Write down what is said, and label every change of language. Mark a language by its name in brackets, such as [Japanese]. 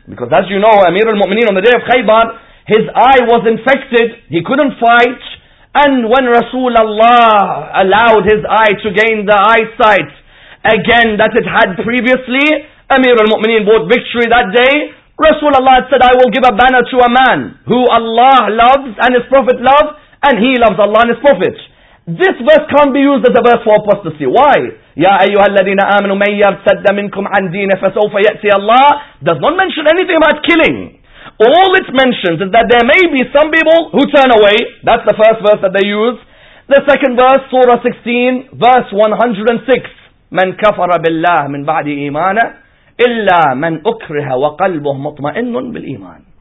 [English] Because as you know, Amir al-Mu'mineen on the day of Khaybar, his eye was infected, he couldn't fight, and when Rasulullah allowed his eye to gain the eyesight again that it had previously, Amir al-Mu'mineen bought victory that day. Rasulullah said, I will give a banner to a man who Allah loves and his Prophet loves, and he loves Allah and his Prophet. This verse can't be used as a verse for apostasy. Why? [Arabic] يَا أَيُّهَا الَّذِينَ آمَنُوا مَنْ يَرْتَدَّ مِنْكُمْ عَنْ دِينِهِ فَسَوْفَ يَأْتِيَ اللَّهِ [English] does not mention anything about killing. All it mentions is that there may be some people who turn away. That's the first verse that they use. The second verse, Surah 16, verse 106. [Arabic] مَنْ كَفَرَ بِاللَّهِ مِنْ بَعْدِ إِيمَانَهِ إِلَّا مَنْ أُكْرِهَ وَقَلْبُهُ مُطْمَئِنٌ بِالْإِيمَانِ.